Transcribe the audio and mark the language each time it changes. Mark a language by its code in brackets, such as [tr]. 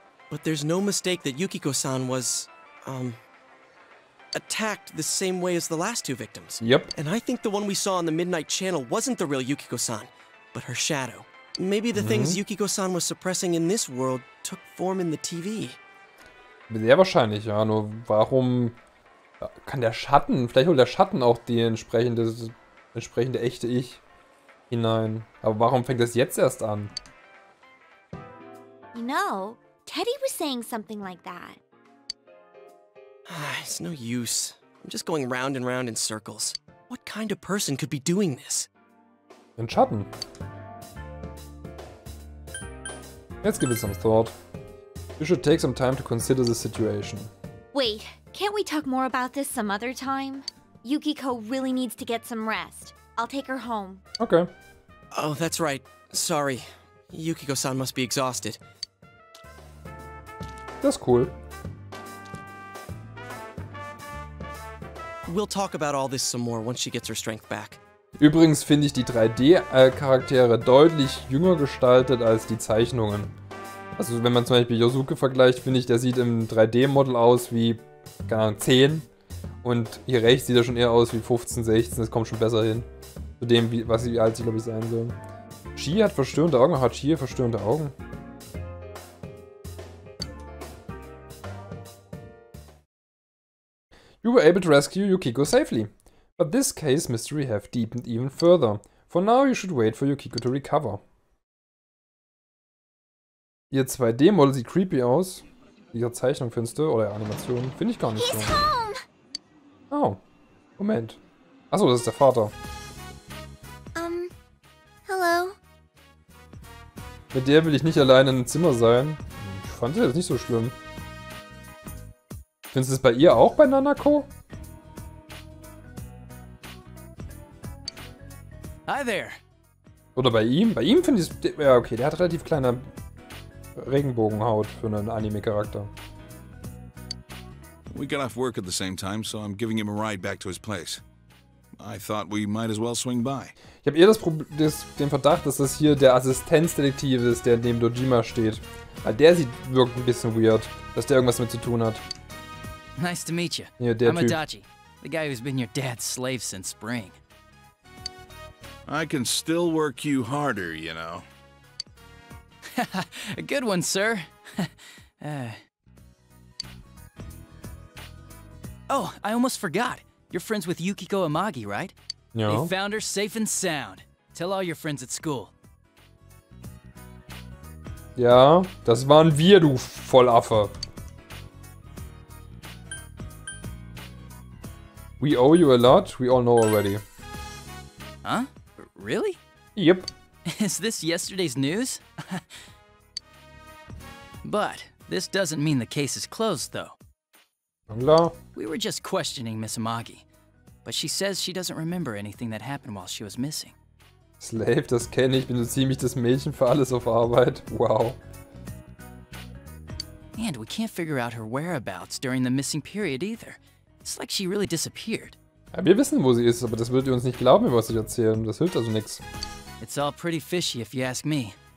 [en] But there's no mistake that Yukiko-san was, attacked the same way as the last two victims. Yep. And I think the one we saw on the Midnight Channel wasn't the real Yukiko-san, but her shadow. Maybe the things Yukiko-san was suppressing in this world took form in the TV. [de] Sehr wahrscheinlich, ja. Nur warum kann der Schatten, vielleicht holt der Schatten auch die entsprechende echte Ich hinein. Aber warum fängt das jetzt erst an? [en] You know, Teddy was saying something like that. It's no use. I'm just going round and round in circles. What kind of person could be doing this? [de] Ein Schatten. [en] Jetzt give it some thought. You should take some time to consider the situation. Wait, can't we talk more about this some other time? Yukiko really needs to get some rest. I'll take her home. Okay. Oh, that's right. Sorry. Yukiko-san must be exhausted. That's cool. We'll talk about all this some more once she gets her strength back. [de] Übrigens finde ich die 3D-Charaktere deutlich jünger gestaltet als die Zeichnungen. Also wenn man zum Beispiel Yosuke vergleicht, finde ich, der sieht im 3D-Model aus wie, keine Ahnung, 10. Und hier rechts sieht er schon eher aus wie 15, 16, das kommt schon besser hin. Zu dem, wie, was sie, wie alt sie, glaube ich, sein sollen. Chie hat verstörende Augen, hat Chie verstörende Augen? [en] You were able to rescue Yukiko safely. But this case mystery have deepened even further. For now you should wait for Yukiko to recover. [de] Ihr 2D-Model sieht creepy aus. Diese Zeichnung findest du, oder Animation, finde ich gar nicht so. Oh, Moment. Achso, das ist der Vater. [en] Hello. [de] Mit der will ich nicht allein im Zimmer sein. Ich fand sie jetzt nicht so schlimm. Findest du es bei ihr auch bei Nanako? [en] Hi there. [de] Oder bei ihm? Bei ihm finde ich es... Ja, okay, der hat relativ kleine Regenbogenhaut für einen Anime-Charakter. [en] We got off work at the same time, so I'm giving him a ride back to his place. I thought we might as well swing by. [de] Ich habe eher den Verdacht, dass das hier der Assistenzdetektiv ist, der neben Dojima steht. Weil der sieht wirklich ein bisschen weird, dass der irgendwas mit zu tun hat. [en] Nice to meet you. [de] Yeah, der [en] I'm Adachi, the guy who's been your dad's slave since spring. I can still work you harder, you know. A good one, sir. Oh, I almost forgot. You're friends with Yukiko Amagi, right? No. They found her safe and sound. Tell all your friends at school. [de] Ja, das waren wir, du Vollaffe. [en] We owe you a lot, we all know already. Huh? Really? Yep. Is this yesterday's news? But this doesn't mean the case is closed, though. Bangla. We were just questioning Miss Amagi, but she says she doesn't remember anything that happened while she was missing. [de] Slave, das kenne ich, bin so ziemlich das Mädchen für alles auf Arbeit. [en] Wow. And we can't figure out her whereabouts during the missing period either. It's like she really disappeared. [de] Ja, wir wissen, wo sie ist, aber das würdet ihr uns nicht glauben, was ich erzähle. Das hilft also nichts. [en] It's all pretty fishy, if you ask me.